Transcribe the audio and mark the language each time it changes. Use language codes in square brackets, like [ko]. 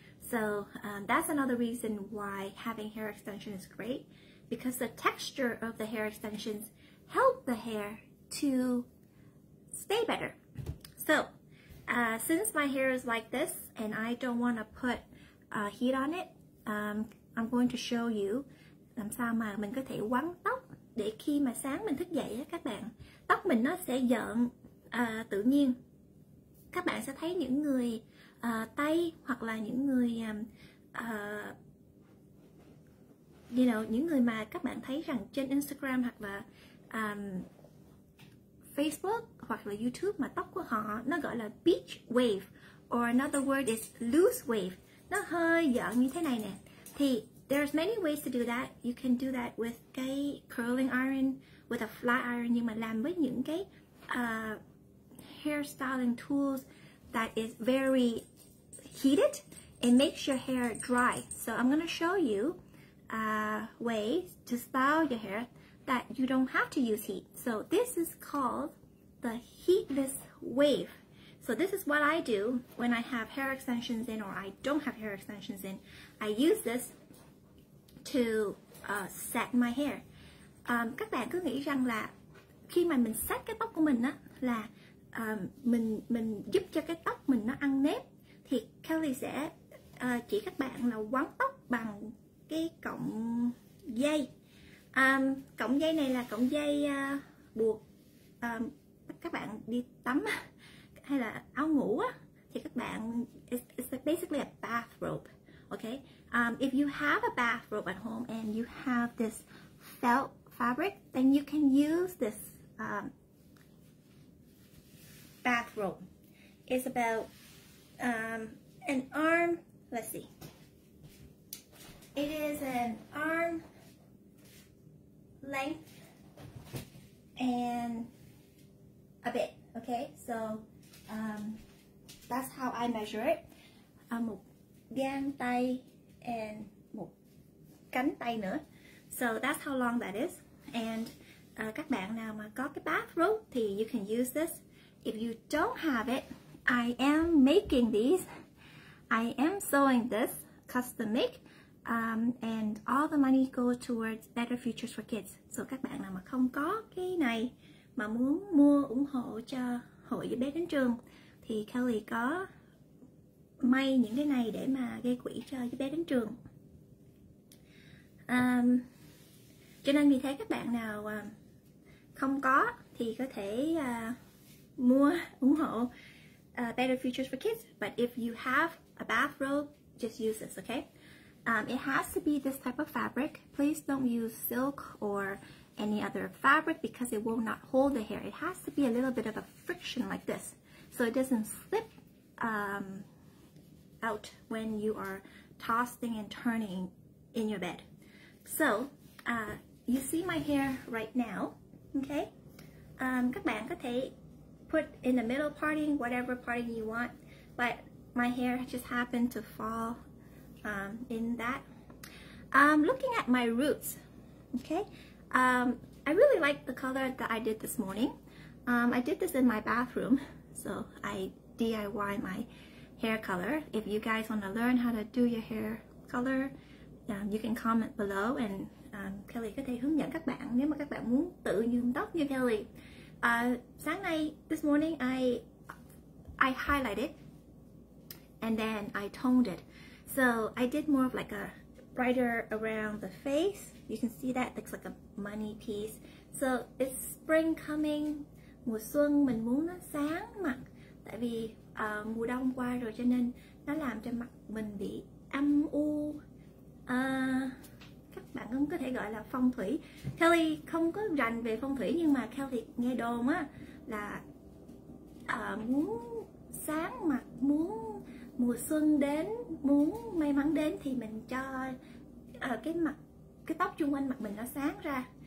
[en] So that's another reason why having hair extensions is great, because the texture of the hair extensions help the hair to stay better. So since my hair is like this and I don't want to put heat on it, I'm going to show you. [vi] Làm sao mà mình có thể quấn tóc để khi mà sáng mình thức dậy á các bạn, tóc mình nó sẽ giận tự nhiên. Các bạn sẽ thấy những người Tây hoặc là những người [en] you know, [vi] những người mà các bạn thấy rằng trên Instagram hoặc là Facebook hoặc là YouTube, mà tóc của họ nó gọi là [en] beach wave, or another word is loose wave, [vi] nó hơi giỡn như thế này nè. [en] Thì there's many ways to do that. You can do that with cái curling iron, with a flat iron, [vi] nhưng mà làm với những cái [en] hairstyling tools that is very heated, it makes your hair dry. So I'm gonna show you a way to style your hair that you don't have to use heat. So this is called the heatless wave. So this is what I do when I have hair extensions in, or I don't have hair extensions in. I use this to set my hair. [vi] Các bạn cứ nghĩ rằng là khi mà mình set cái tóc của mình á, là mình giúp cho cái tóc mình nó ăn nếp, thì Kelly sẽ chỉ các bạn là quấn tóc bằng cái cọng dây. Cọng dây này là cọng dây buộc các bạn đi tắm hay là áo ngủ á, thì các bạn [en] it's basically a bathrobe. Okay, if you have a bathrobe at home and you have this felt fabric, then you can use this bathrobe. It's about an arm, let's see, it is an arm length and a bit. Okay, so that's how I measure it. [vi] Một gang tay [en] and [vi] cánh tay nữa. [en] So that's how long that is. [vi] And các bạn nào mà có cái bathrobe thì [en] you can use this. If you don't have it, I am making these. I am sewing this custom make. And all the money goes towards better futures for kids. [vi] So các bạn nào mà không có cái này mà muốn mua ủng hộ cho hội giúp bé đến trường thì Kelly có may những cái này để mà gây quỹ cho giúp bé đến trường. Cho nên vì thế các bạn nào không có thì có thể mua ủng hộ Better Futures for Kids. [en] But if you have a bathrobe, just use this, okay? It has to be this type of fabric. Please don't use silk or any other fabric because it will not hold the hair. It has to be a little bit of a friction like this so it doesn't slip out when you are tossing and turning in your bed. So you see my hair right now, okay? [vi] Các bạn có thể [en] put in the middle parting, whatever parting you want, but my hair just happened to fall in that. Looking at my roots, okay? I really like the color that I did this morning. I did this in my bathroom, so I DIY my hair color. If you guys want to learn how to do your hair color, you can comment below and [vi] Kelly có thể hướng dẫn các bạn nếu mà các bạn muốn tự nhuộm tóc như Kelly. Sáng nay, [en] this morning, I highlighted and then I toned it. So I did more of like a brighter around the face. You can see that looks like a money piece. So it's spring coming, [vi] mùa xuân mình muốn nó sáng mặt. Tại vì mùa đông qua rồi cho nên nó làm cho mặt mình bị âm u. Các bạn cũng có thể gọi là phong thủy. Kelly không có rành về phong thủy nhưng mà Kelly nghe đồn á là muốn sáng mặt, muốn mùa xuân đến, muốn may mắn đến thì mình cho cái mặt, cái tóc chung quanh mặt mình nó sáng ra.